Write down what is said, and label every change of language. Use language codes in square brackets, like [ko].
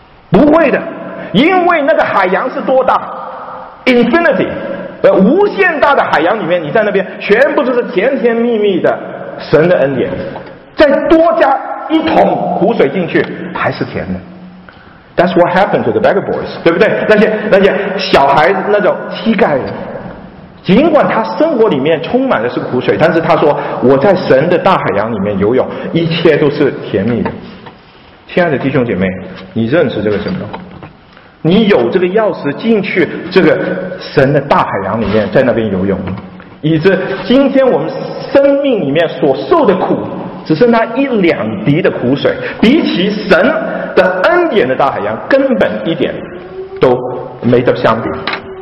[zh] 不会的，因为那个海洋是多大 ？Infinity， 无限大的海洋里面，你在那边全部都是甜甜蜜蜜的神的恩典，再多加一桶苦水进去还是甜的。 [en] That's what happened to the beggar boys， [zh] 对不对？那些小孩子，那种乞丐人，尽管他生活里面充满的是苦水，但是他说我在神的大海洋里面游泳，一切都是甜蜜的。亲爱的弟兄姐妹，你认识这个神吗？你有这个钥匙进去这个神的大海洋里面，在那边游泳，以致今天我们生命里面所受的苦只剩下一两滴的苦水，比起神的恩典的大海洋根本一点都没得相比。